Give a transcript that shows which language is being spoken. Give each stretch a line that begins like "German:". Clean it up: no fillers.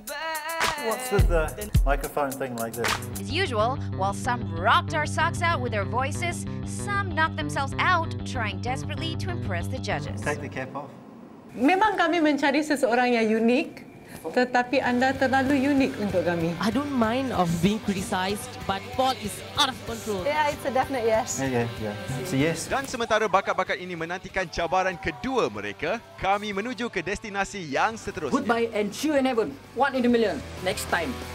English: ber- What's with the microphone thing like this? As usual, while some rocked our socks out with their voices, some knocked themselves out trying desperately to impress the judges. Take the cap off.
Malay: Memang kami mencari seseorang yang unik. Tetapi anda terlalu unik untuk kami.
English: I don't mind of being criticized, but Paul is out of control. Yeah, it's a definite yes. Yeah.
Malay: Dan sementara bakat-bakat ini menantikan cabaran kedua mereka, kami menuju ke destinasi yang seterusnya.
English: Goodbye and cheer in heaven. One in a million. Next time.